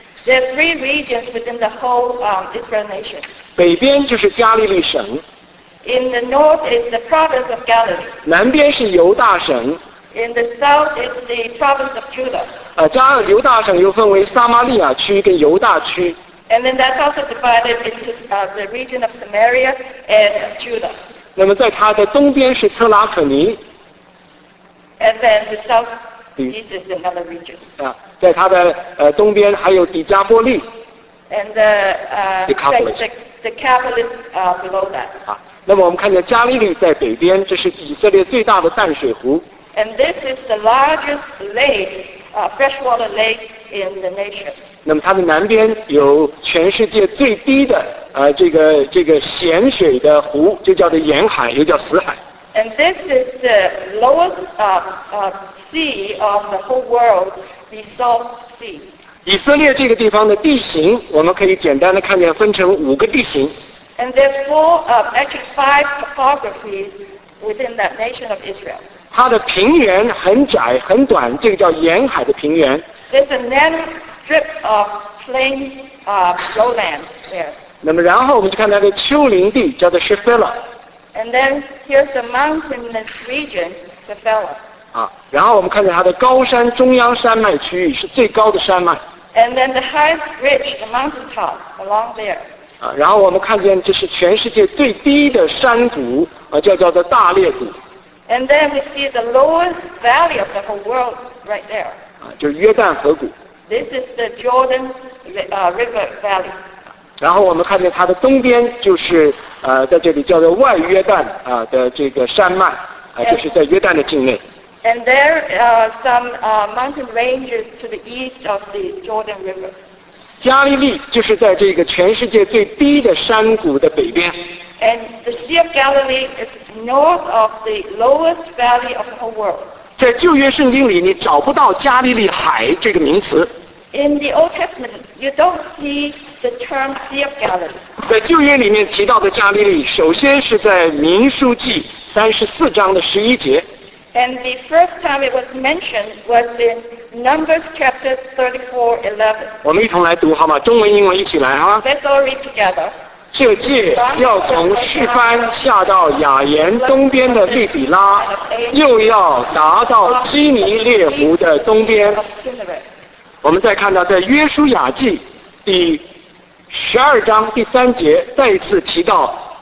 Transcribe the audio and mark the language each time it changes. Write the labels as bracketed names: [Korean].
[English] There are three regions within the whole Israel nation. [Chinese] 北边就是加利利省。 [English] In the north is the province of Galilee. [Chinese] 南边是犹大省。 [English] In the south is the province of Judah. [Chinese] 犹大省又分为撒玛利亚区跟犹大区。 [English] And then that's also divided into the region of Samaria and Judah. [Chinese] 那么在它的东边是特拉可尼。 [English] And then the south east is another region. [Chinese] 在它的东边还有底加波利。 [English] And the capital is below that. [Chinese] 那么我们看见加利利在北边，这是以色列最大的淡水湖。 [English] And this is the largest lake, freshwater lake in the nation. [Chinese] 那么它的南边有全世界最低的这个咸水的湖，就叫做沿海，又叫死海。 [English] And this is the lowest sea of the whole world, the salt sea. [Chinese] 以色列这个地方的地形，我们可以简单的看见分成五个地形。 [English] And there's five topographies within that nation of Israel. [Chinese] 它的平原很窄很短，这个叫沿海的平原。 [English] There's a narrow strip of plain lowland there. [Chinese] 那么然后我们就看它的丘陵地，叫做 Shephela. [English] And then here's the mountainous region, Shephela. [Chinese] 啊，然后我们看见它的高山中央山脉区域是最高的山脉。 [English] And then the highest ridge, the mountaintop along there. [Chinese] 啊、然后我们看见这是全世界最低的山谷、叫做大裂谷。 [English] And then we see the lowest valley of the whole world right there.、 [Chinese] 就是约旦河谷。 [English] This is the Jordan River Valley. [Chinese] 然后我们看见它的东边就是、在这里叫做外约旦、的这个山脉、就是在约旦的境内。 [English] And there are some mountain ranges to the east of the Jordan River. [Chinese] 加利利就是在这个全世界最低的山谷的北边。 [English] And the Sea of Galilee is north of the lowest valley of the whole world. [Chinese] 在旧约圣经里，你找不到加利利海这个名词。 [English] In the Old Testament, you don't see the term Sea of Galilee. [Chinese] 在旧约里面提到的加利利，首先是在民数记34:11。 [English] And the first time it was mentioned was in Numbers chapter 34:11. [Chinese] 我们一同来读好吗？中文、英文一起来哈。 [English] Let's all read together. [Chinese] 这界要从示番下到雅言东边的利比拉，又要达到基尼列湖的东边。我们再看到在约书亚记第12:3再一次提到。